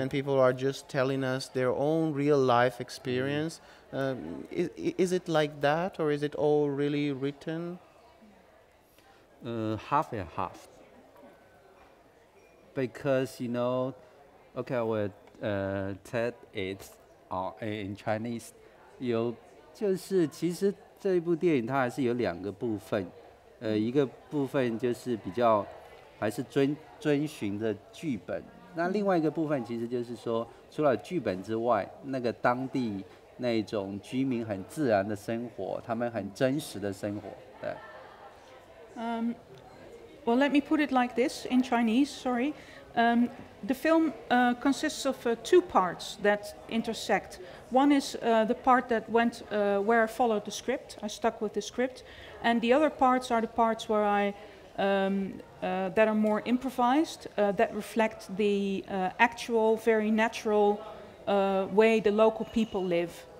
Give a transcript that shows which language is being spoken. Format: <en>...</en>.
<en>and people are just telling us their own real-life experience. Mm-hmm. Is it like that, or is it all really written? Half and half. Because, you know, okay, well, Ted, it's in Chinese.</en> <zh>就是其实这部电影它还是有两个部分，一个部分就是比较还是遵循着剧本，那另外一个部分其实就是说，除了剧本之外，那个当地那种居民很自然的生活，他们很真实的生活。</zh> <en>Well, let me put it like this in Chinese, sorry. The film consists of two parts that intersect. One is the part that went where I followed the script. I stuck with the script, and the other parts are the parts where I that are more improvised, that reflect the actual, very natural way the local people live.</en>